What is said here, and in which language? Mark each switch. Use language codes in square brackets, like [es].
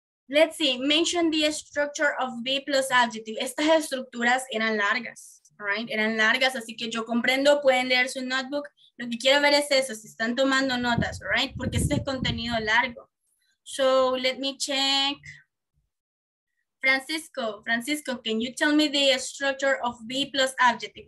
[en] Let's see, mention the structure of be plus adjective. [es] Estas estructuras eran largas, right? Eran largas, así que yo comprendo, pueden leer su notebook. Lo que quiero ver es eso, si están tomando notas, right? Porque este es contenido largo. So, let me check. [en] Francisco, can you tell me the structure of be plus adjective?